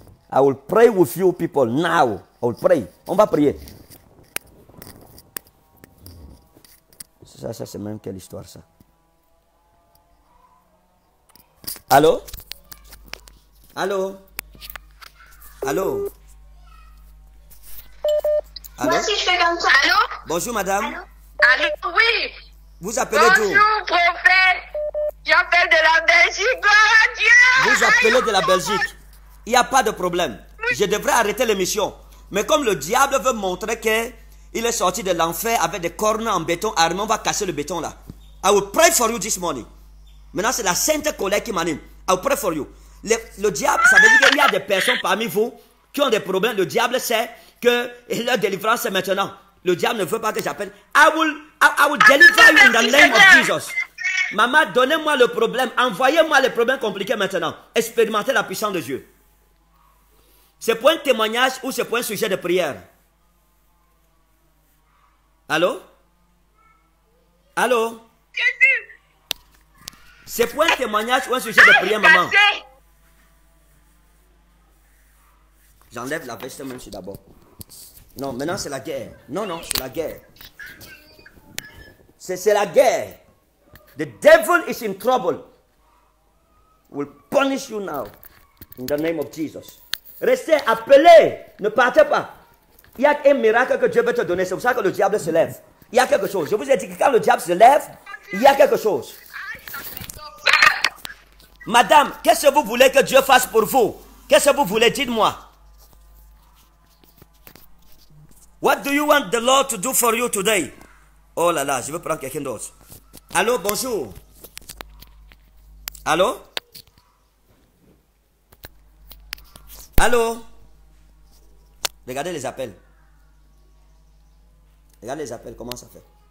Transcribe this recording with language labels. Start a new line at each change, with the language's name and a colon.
English: I will pray with you people now. I will pray.
French: On va prier. Ça c'est même quelle histoire ça. Allô? Allô? Allô? Allô? Moi, si je fais comme ça. Allô? Bonjour madame. Allô? Oui. Vous appelez d'où? Bonjour prophète. J'appelle de la Belgique. Gloire à Dieu. Vous appelez de la Belgique. Il n'y a pas de problème. Je devrais arrêter l'émission. Mais comme le diable veut montrer qu'il est sorti de l'enfer avec des cornes en béton, armé, on va casser le béton là.
English: I will pray for you this morning.
French: Maintenant, c'est la sainte colère qui m'anime.
English: I will pray for you.
French: Le diable, ça veut dire qu'il y a des personnes parmi vous qui ont des problèmes. Le diable sait que leur délivrance est maintenant. Le diable ne veut pas que j'appelle.
English: I will deliver you in the name of Jesus.
French: Maman, donnez-moi le problème. Envoyez-moi les problèmes compliqués maintenant. Expérimentez la puissance de Dieu. C'est pour un témoignage ou c'est pour un sujet de prière? Allô? Allô? Jésus! C'est pour un témoignage ou un sujet de prière, maman? J'enlève la veste même si d'abord. Non, maintenant c'est la guerre. Non, c'est la guerre. C'est la guerre.
English: The devil is in trouble. We'll punish you now. In the name of Jesus.
French: Restez, appelez, ne partez pas. Il y a un miracle que Dieu veut te donner. C'est pour ça que le diable se lève. Il y a quelque chose. Je vous ai dit que quand le diable se lève, Il y a quelque chose. Madame, qu'est-ce que vous voulez que Dieu fasse pour vous? Qu'est-ce que vous voulez? Dites-moi.
English: What do you want the Lord to do for you today?
French: Oh là là, je veux prendre quelqu'un d'autre. Allô, bonjour. Allô? Allô? Regardez les appels. Regardez les appels, comment ça fait?